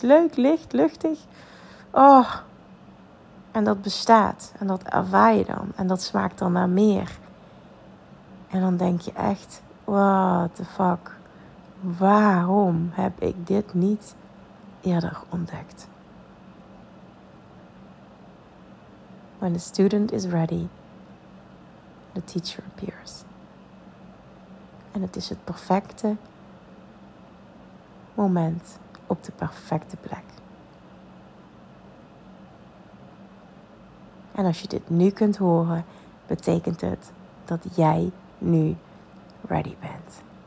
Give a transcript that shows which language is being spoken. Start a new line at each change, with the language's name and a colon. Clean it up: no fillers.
Dutch: Leuk, licht, luchtig. Oh, en dat bestaat. En dat ervaar je dan. En dat smaakt dan naar meer. En dan denk je echt,
English: what the fuck.
Dutch: Waarom heb ik dit niet eerder ontdekt?
English: When the student is ready, the teacher appears.
Dutch: En het is het perfecte moment op de perfecte plek. En als je dit nu kunt horen, betekent het dat jij nu ready bent.